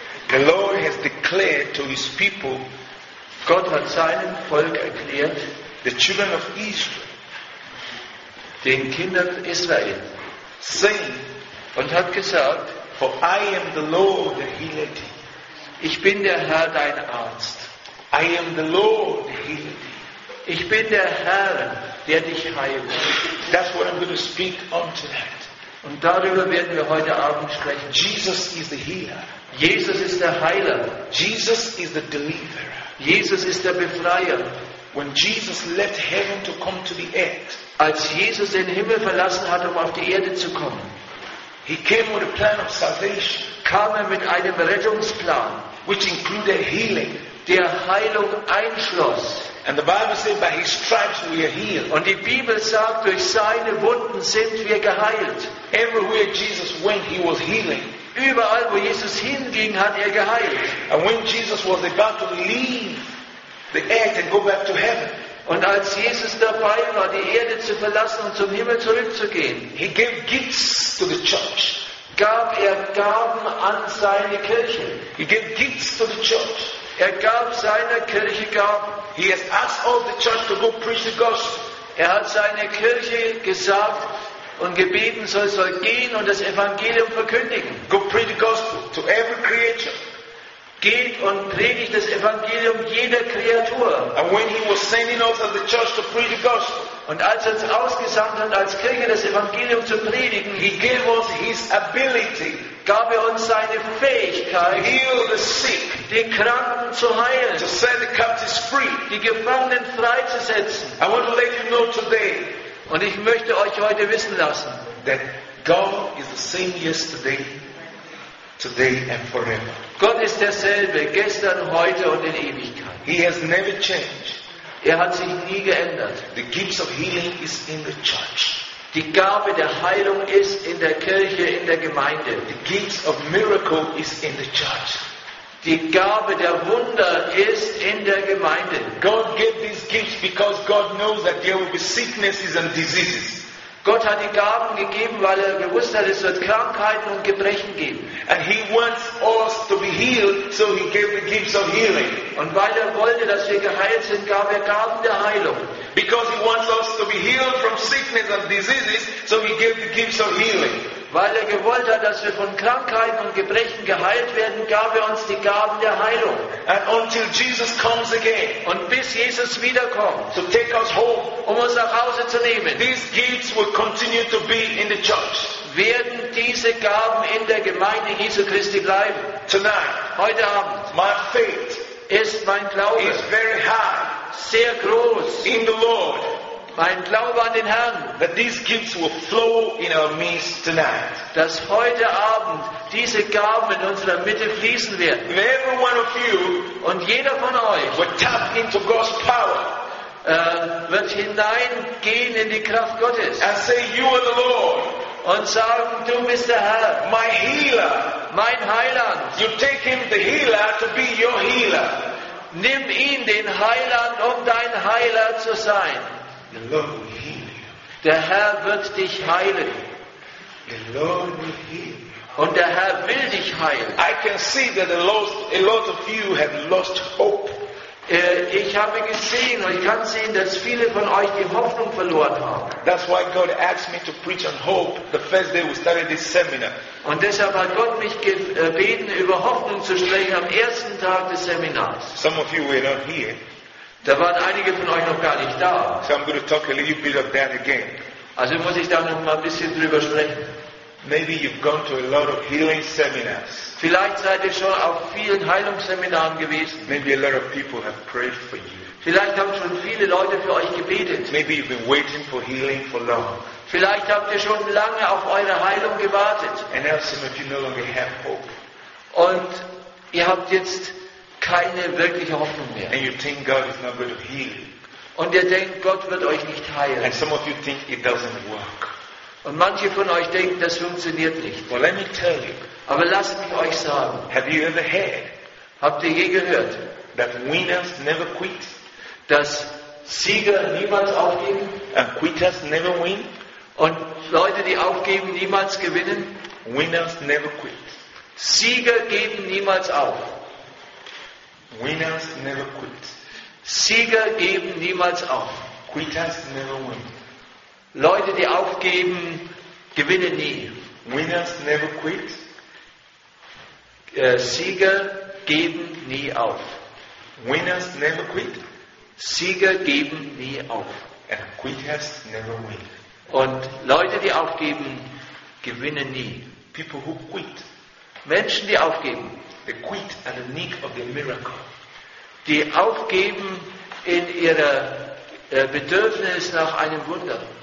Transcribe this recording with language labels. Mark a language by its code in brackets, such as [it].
[en] The Lord has declared to his people, [de] Gott hat seinem Volk erklärt, [en] the children of Israel, [de] den Kindern Israel, [en] saying, [de] und hat gesagt, [en] for I am the Lord the healer thee. [de] Ich bin der Herr dein Arzt. [en] I am the Lord the healer thee. [de] Ich bin der Herr, der dich heilt. [en] That's what I'm going to speak on tonight. [de] Und darüber werden wir heute Abend sprechen. [en] Jesus is the healer. [de] Jesus ist der Heiler. [en] Jesus is the deliverer. [de] Jesus ist der Befreier. [en] When Jesus left heaven to come to the earth, [de] als Jesus den Himmel verlassen hat, um auf die Erde zu kommen, [en] he came with a plan of salvation, [de] kam er mit einem Rettungsplan, [en] which included healing, [de] der Heilung einschloss. [en] And the Bible says, by his stripes we are healed. [de] Und die Bibel sagt, durch seine Wunden sind wir geheilt. [en] Everywhere Jesus went, he was healing. [de] Überall, wo Jesus hinging, hat er geheilt. [en] And when Jesus was about to leave the earth and go back to heaven, [de] und als Jesus dabei war, die Erde zu verlassen und zum Himmel zurückzugehen, [en] he gave gifts to the church. [de] Gab er Gaben an seine Kirche. [en] He gave gifts to the church. [de] Er gab seiner Kirche Gaben. [en] He has asked all the church to go preach the gospel. [de] Er hat seiner Kirche gesagt und gebeten, soll gehen und das Evangelium verkündigen. [en] Go preach the gospel to every creature. [de] Geht und predigt das Evangelium jeder Kreatur. [en] And when he was sending off of the church to preach the gospel, [de] und als er es ausgesandt hat, als Kirche das Evangelium zu predigen, [en] he gave us his ability, [de] gab er uns seine Fähigkeit, [en] to heal the sick, [de] den Kranken zu heilen, [en] to set the captives free, [de] die Gefangenen freizusetzen. [en] I want to let you know today, [de] und ich möchte euch heute wissen lassen, [en] that God is the same yesterday, today and forever. [de] Gott ist derselbe, gestern, heute und in Ewigkeit. [en] He has never changed. [de] Er hat sich nie geändert. [en] The gifts of healing is in the church. [de] Die Gabe der Heilung ist in der Kirche, in der Gemeinde. [en] The gifts of miracle is in the church. [de] Die Gabe der Wunder ist in der Gemeinde. [en] God gave these gifts because God knows that there will be sicknesses and diseases. [de] Gott hat die Gaben gegeben, weil er gewusst hat, es wird Krankheiten und Gebrechen geben. [en] And he wants us to be healed, so he gave the gifts of healing. [de] Und weil er wollte, dass wir geheilt sind, gab er Gaben der Heilung. [en] Because he wants us to be healed from sickness and diseases, so he gave the gifts of healing. [de] Weil er gewollt hat, dass wir von Krankheiten und Gebrechen geheilt werden, gab er uns die Gaben der Heilung. [en] And until Jesus comes again, [de] und bis Jesus wiederkommt, [en] to take us home, [de] um uns nach Hause zu nehmen, [en] these gifts will continue to be in the church. [de] Werden diese Gaben in der Gemeinde Jesu Christi bleiben. [en] Tonight, [de] heute Abend, [en] my faith [de] ist mein Glaube [en] is very high, [de] sehr groß [en] in the Lord. [de] Mein Glaube an den Herrn, [en] that these gifts will flow in our midst tonight. [de] Dass heute Abend diese Gaben in unserer Mitte fließen werden. [en] And every one of you, [de] und jeder von euch, [en] will tap into God's power, [de] wird hineingehen in die Kraft Gottes. [en] And say, you are the Lord. [de] Und sagen, du bist der Herr. [en] My healer. [de] Mein Heiland. [en] You take him, the healer, to be your healer. [de] Nimm ihn, den Heiland, um dein Heiler zu sein. [en] The Lord will heal you. [de] Der Herr wird dich heilen. [en] The Lord will heal you. [de] Und der Herr will dich heilen. [en] I can see that a lot of you have lost hope. [de] Ich habe gesehen und ich kann sehen, dass viele von euch die Hoffnung verloren haben. [en] That's why God asked me to preach on hope the first day we started this seminar. [de] Und deshalb hat Gott mich gebeten, über Hoffnung zu sprechen am ersten Tag des Seminars. [en] Some of you were not here. [de] Da waren einige von euch noch gar nicht da. [en] So I'm going to talk a little bit of that again. [de] Also muss ich da noch mal ein bisschen drüber sprechen. [en] Maybe you've gone to a lot of healing seminars. [de] Vielleicht seid ihr schon auf vielen Heilungsseminaren gewesen. [en] Maybe a lot of people have prayed for you. [de] Vielleicht haben schon viele Leute für euch gebetet. [en] Maybe you've been waiting for healing for long. [de] Vielleicht habt ihr schon lange auf eure Heilung gewartet. [en] And now some of you no longer have hope. [de] Und ihr habt jetzt keine wirkliche Hoffnung mehr. [en] And you think God is not going to heal. [de] Und ihr denkt, Gott wird euch nicht heilen. [en] And some of you think it doesn't work. [de] Und manche von euch denken, das funktioniert nicht. [en] Well, let me tell you. [de] Aber lasst mich euch sagen. [en] Have you ever heard? [de] Habt ihr je gehört? [en] That winners never quit. [de] Dass Sieger niemals aufgeben. [en] And quitters never win. [de] Und Leute, die aufgeben, niemals gewinnen. [en] Winners never quit. [de] Sieger geben niemals auf. [en] Winners never quit. [de] Sieger geben niemals auf. [en] Quitters never win. [de] Leute, die aufgeben, gewinnen nie. [en] Winners never quit. [de] Sieger geben nie auf. [en] Winners never quit. [de] Sieger geben nie auf. [en] And quitters never win. [de] Und Leute, die aufgeben, gewinnen nie. [en] People who quit. [de] Menschen, die aufgeben. [en] They quit at the nick of the miracle. [de] Die aufgeben in ihrer Bedürfnis nach einem Wunder.